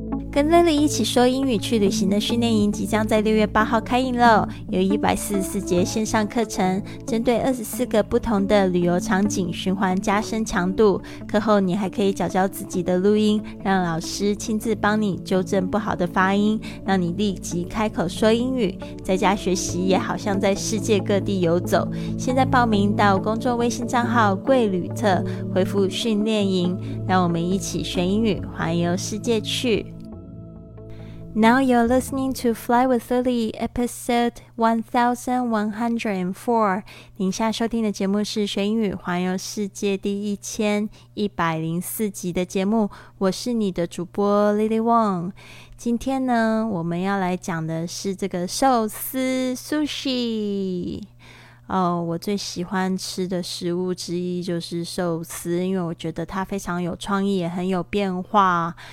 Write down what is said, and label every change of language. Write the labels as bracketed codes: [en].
[zh] 跟 Lily 一起说英语去旅行的训练营即将在6月8号开营了，有144节线上课程，针对24个不同的旅游场景循环加深强度，课后你还可以矫矫自己的录音，让老师亲自帮你纠正不好的发音，让你立即开口说英语，在家学习也好像在世界各地游走。现在报名到公众微信账号贵旅特，回复训练营，让我们一起学英语环游世界去。 [en] Now you're listening to Fly with Lily, episode 1104. [zh] 您现在收听的节目是学英语环游世界第1104集的节目，我是你的主播 Lily Wong。今天呢，我们要来讲的是这个寿司 Sushi。我最喜欢吃的食物之一就是寿司，因为我觉得它非常有创意，也很有变化。